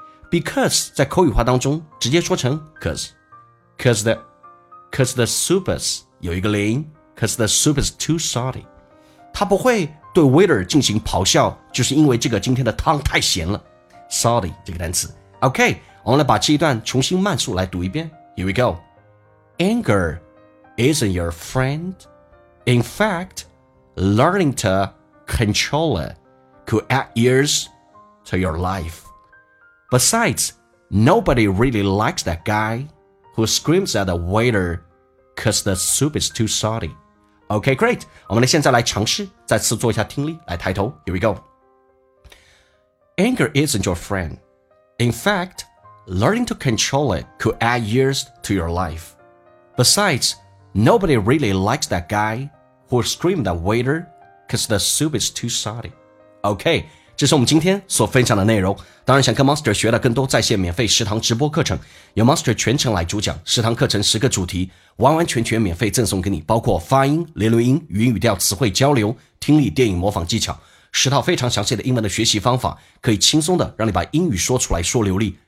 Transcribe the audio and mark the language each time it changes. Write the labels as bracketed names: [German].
[Chinese] Because 在口语化当中直接说成 cause the soup is 有一个连音 [English] cause the soup is too salty. [Chinese] 他不会对 waiter 进行咆哮，就是因为这个今天的汤太咸了。 Salty 这个单词。 OK， 我们来把这一段重新慢速来读一遍。 [English] Here we go. Anger isn't your friend. In fact, learning to control it could add years. To your life. Besides, nobody really likes that guy who screams at the waiter because the soup is too salty. Okay, great. [Chinese] 我们现在来尝试再次做一下听力，来抬头。 [English] Here we go. Anger isn't your friend. In fact, learning to control it could add years to your life. Besides, nobody really likes that guy who screams at the waiter because the soup is too salty. Okay, [Chinese] 这是我们今天所分享的内容。当然想跟 Monster 学的更多在线免费食堂直播课程，由 Monster 全程来主讲，食堂课程10个主题完完全全免费赠送给你，包括发音、连轮音、语音语调、词汇交流、听力、电影模仿技巧，10套非常详细的英文的学习方法，可以轻松的让你把英语说出来说流利。